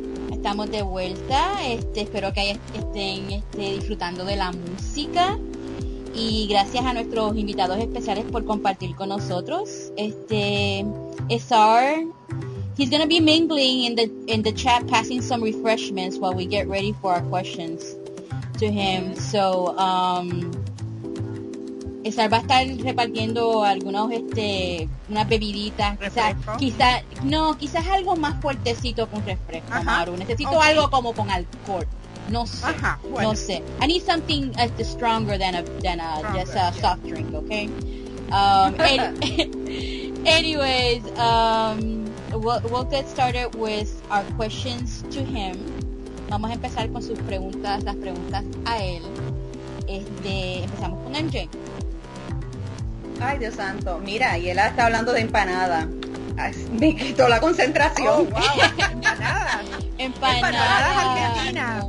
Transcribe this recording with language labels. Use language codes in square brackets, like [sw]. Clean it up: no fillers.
[es] Estamos de vuelta. Espero que estén disfrutando de la música. Y gracias a nuestros invitados especiales por compartir con nosotros. Esar. [en] He's gonna be mingling in the chat, passing some refreshments while we get ready for our questions to him. [es] So, Esar va a estar repartiendo algunos unas bebiditas, quizás algo más fuertecito con refresco. Uh-huh. Maru, necesito algo como con alcohol. No sé. Uh-huh. Bueno. No sé. [en] I need something stronger than a soft drink. Okay. anyways. We'll get started with our questions to him. [es] Vamos a empezar con sus preguntas, las preguntas a él. Empezamos con MJ. Ay, Dios santo. Mira, y él está hablando de empanada. Me quitó la concentración. Oh, wow. Empanadas argentinas.